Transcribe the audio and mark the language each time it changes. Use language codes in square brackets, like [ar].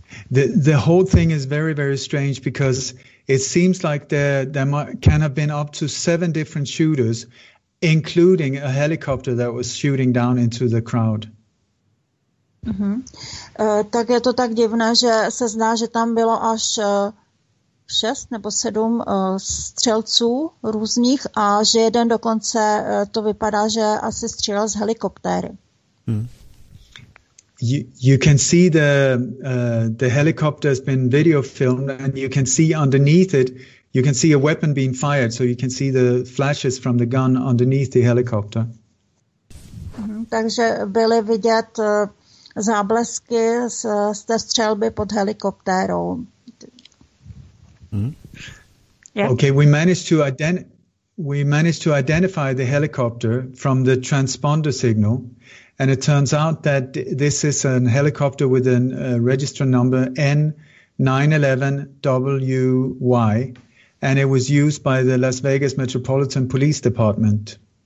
[en] The whole thing is very, very strange because it seems like there can have been up to 7 different shooters, including a helicopter that was shooting down into the crowd. Mm-hmm. [cs] Tak je to tak divné, že se zdá, že tam bylo až 6 nebo 7 střelců různých a že jeden dokonce to vypadá, že asi střílel z helikoptéry. [en] You can see the helicopter has been video filmed and you can see underneath it, you can see a weapon being fired. So you can see the flashes from the gun underneath the helicopter. [cs] Takže byly vidět záblesky z té střelby pod helikoptérou. Mm. Yeah. [en] Okay, we managed to identify the helicopter from the transponder signal. And it turns out that this is an helicopter with a registrant number N911WY, and it was used by the Las Vegas Metropolitan Police Department.